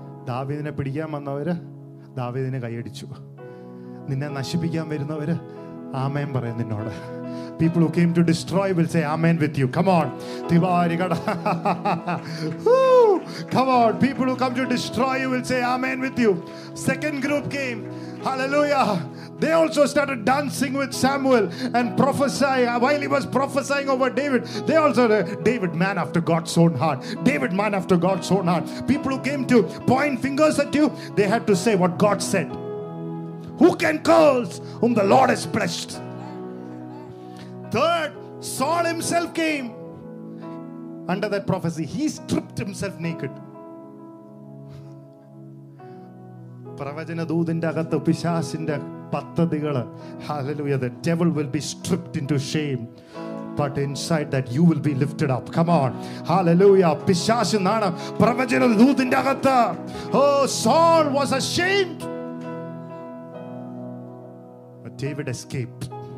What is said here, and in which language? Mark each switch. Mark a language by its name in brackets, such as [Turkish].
[Malayalam] ദാവീദിനെ പിടിക്കാൻ വന്നവര് ദാവീദിനെ കൈയടിച്ചു. നിന്നെ നശിപ്പിക്കാൻ വരുന്നവര് ആമേൻ പറയും നിന്നോട്. [English] People who came to destroy will say amen with you. Come on. Come on. People who come to destroy you will say amen with you. Second group came. Hallelujah. They also started dancing with Samuel and prophesying. While he was prophesying over David, they also David, man after God's own heart. David, man after God's own heart. People who came to point fingers at you, they had to say what God said. Who can curse whom the Lord has blessed? Third, Saul himself came under that prophecy. He stripped himself naked. [Malayalam] പ്രവചന ദൂതിന്റെ അകത്ത് പിശാസിന്റെ പദ്ധതികള്. [English] Hallelujah. The devil will be stripped into shame, but inside that you will be lifted up. Come on. Hallelujah. [Malayalam] പിശാസിന് നാണം. പ്രവചന ദൂതിന്റെ അകത്ത്. [English] Oh, Saul was ashamed. But David escaped.